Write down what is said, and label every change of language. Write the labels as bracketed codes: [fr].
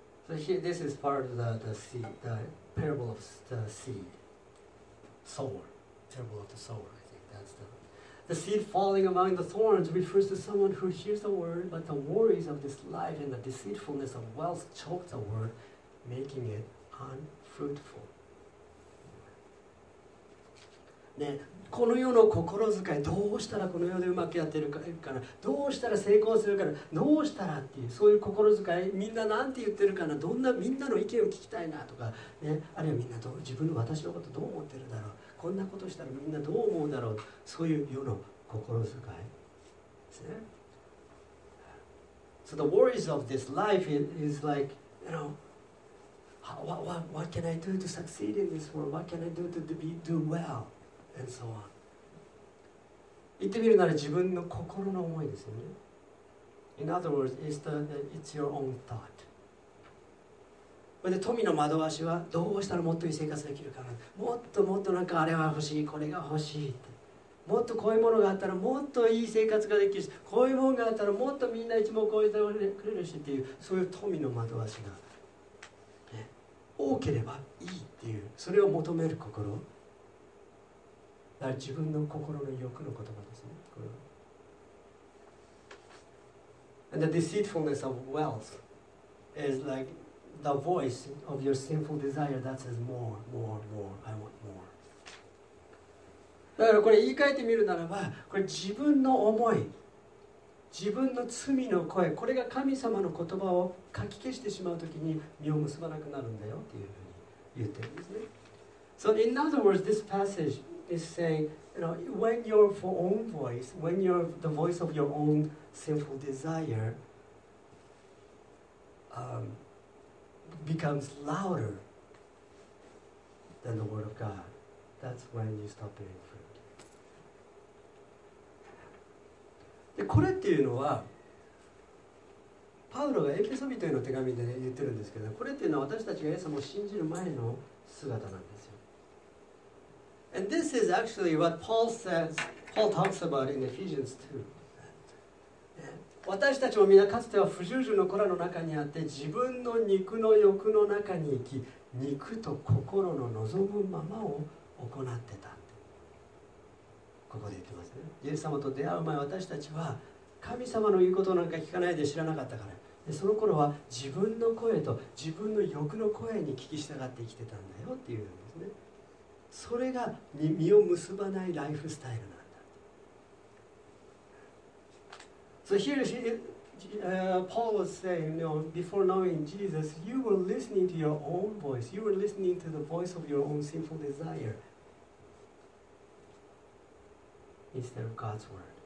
[en] So here, this is part of the seed, the parable of the seed, sower, parable of the sower. I think that's the seed falling among the thorns refers to someone who hears the word, but the worries of this life and the deceitfulness of wealth choke the word, making it unfruitful. ね。 [ja] この世の心遣い、どうしたらこの世でうまくやってるかな、どうしたら成功するかな、どうしたらっていう、そういう心遣い、みんななんて言ってるかな、どんなみんなの意見を聞きたいなとか、ね、あるいはみんなどう自分の私のことどう思ってるだろう、こんなことしたらみんなどう思うだろう、そういう世の心遣いですね。 [en] So the worries of this life is like, you know, what can I do to succeed in this world? What can I do to do well? And so on. [ja] 言ってみるなら自分の心の思いですよね。 [en] In other words, it's your own thought. [ja] で、富の惑わしはどうしたらもっといい生活できるかな。もっともっとなんかあれは欲しい、これが欲しいって。もっとこういうものがあったらもっといい生活ができるし、こういうものがあったらもっとみんな一目置いてくれるしっていう、そういう富の惑わしが、ね、多ければいいっていう、それを求める心。自分の心の欲の言葉ですね。これは。 [en] And the deceitfulness of wealth is like the voice of your sinful desire that says more, more, more, I want more. [ja] だからこれ言い換えてみるならば、これ自分の思い、自分の罪の声、これが神様の言葉をかき消してしまうときに実を結ばなくなるんだよっていうふうに言ってるんですね。 [en] So in other words, this passage,is saying, you know, when your own voice, when you're the voice of your own sinful desire becomes louder than the word of God, that's when you stop bearing fruit. [ja] で、これっていうのは、パウロがエペソ人への手紙で、ね、言ってるんですけど、これっていうのは私たちがイエス様を信じる前の姿なんですよ。 [en] And this is actually what Paul says, Paul talks about in Ephesians 2. [ja] 私たちもみんなかつては不従順の子らの中にあって、自分の肉の欲の中に生き、肉と心の望むままを行ってたって。ここで言ってますね。イエス様と出会う前、私たちは神様の言うことなんか聞かないで知らなかったから。で、その頃は自分の声と自分の欲の声に聞き従って生きてたんだよっていうんですね。それが実を結ばないライフスタイルなんだ。 [en] So here Paul was saying, you know, before knowing Jesus, you were listening to your own voice. You were listening to the voice of your own sinful desire instead of God's word.